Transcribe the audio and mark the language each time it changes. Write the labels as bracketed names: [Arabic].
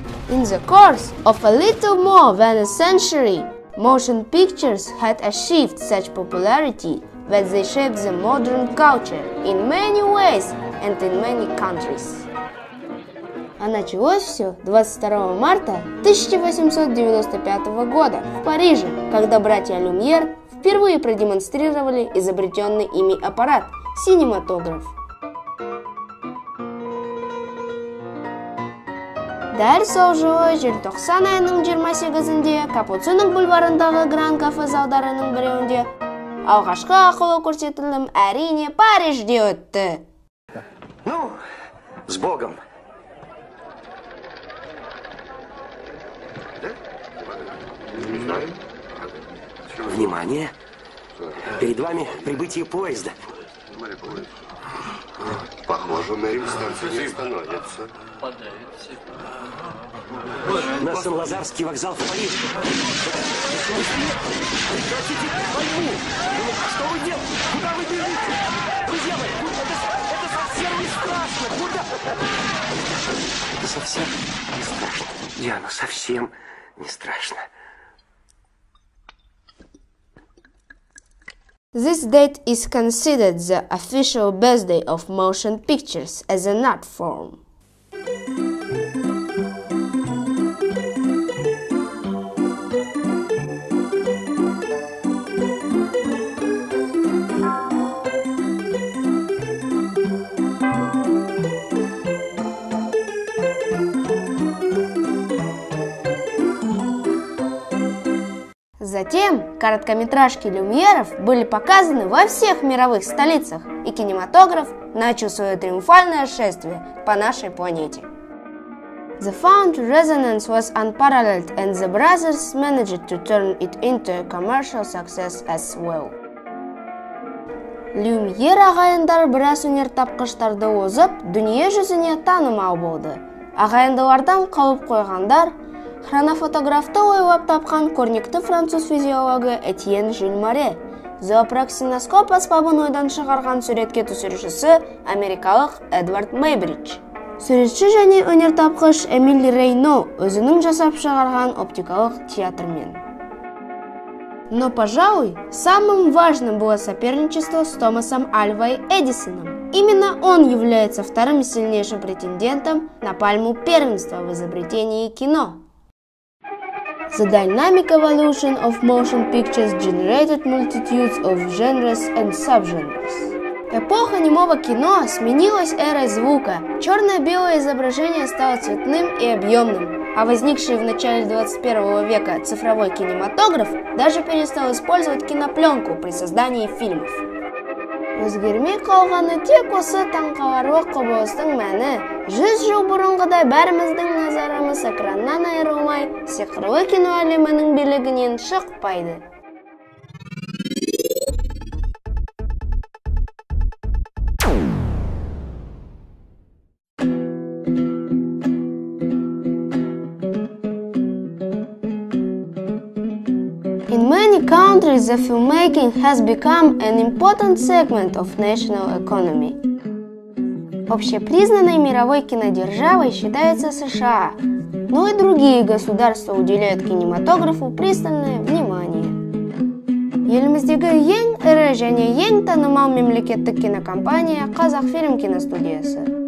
[English] In the course of a little more than a century, motion pictures had achieved such popularity that they shaped the modern culture in many ways and in many countries. [Russian] А началось все 22 марта 1895 года в Париже, когда братья Люмьер впервые продемонстрировали изобретенный ими аппарат – синематограф. [Kazakh] Дәл сол жылы 90 айының 28-інде Капуцинок бульварындағы Гранд Кафе залдарының біреуінде алғашқы ақылы көрсетілім әрине Парижде өтті. [Russian] Ну, с Богом! Внимание! Перед вами прибытие поезда. Похоже, на Рим-станции не становится. На Сен-Лазарский вокзал в Париж. Прекратите войну! Ну, что вы делаете? Куда вы бежите? Друзья мои, это совсем не страшно! Куда? Это совсем не страшно. Диана, совсем не страшно. [English] This date is considered the official birthday of motion pictures as an art form. [Russian] Затем короткометражки Люмьеров были показаны во всех мировых столицах, и кинематограф начал свое триумфальное шествие по нашей планете. [English] The found resonance was unparalleled, and the brothers managed to turn it into a commercial success as well. [Kazakh] Люмьер ағайындар біраз өнертапқыштарды озып, дүние жүзіне танымал болды. Ағайындылардан қалып қойғандар, хронофотографты ойлап тапқан көрнекті француз физиологы Этьен Жюль Море, зоопроксиноскоп аспабын ойдан шығарған суретке түсірушісі америкалық Эдвард Мейбридж. Суретші және өнертапқыш Эмиль Рейно өзінің жасап шығарған оптикалық театрмен. [Russian] Но, пожалуй, самым важным было соперничество с Томасом Альвой Эдисоном. Именно он является вторым сильнейшим претендентом на пальму первенства в изобретении кино. [English] The dynamic evolution of motion pictures generated multitudes of genres and subgenres. [Russian] Эпоха немого кино сменилась эрой звука. Черно-белое изображение стало цветным и объемным, а возникший в начале 21 века цифровой кинематограф даже перестал использовать кинопленку при создании фильмов. [Kazakh] Өзгермей қалғаны тек осы таңқаларлы құбылыстың мәні. 100 жыл бұрынғыдай бәріміздің назарымыз экраннан айырылмай, сиқырлы кино әлемінің билігінен шықпайды. [English] Countries, the filmmaking has become an important segment of national economy. [Russian] Общепризнанной мировой кинодержавой считается США, но и другие государства уделяют кинематографу пристальное внимание. [Kazakh] Еліміздегі ең ірі және ең танымал мемлекеттік кинокомпания Қазақфильм киностудиясы.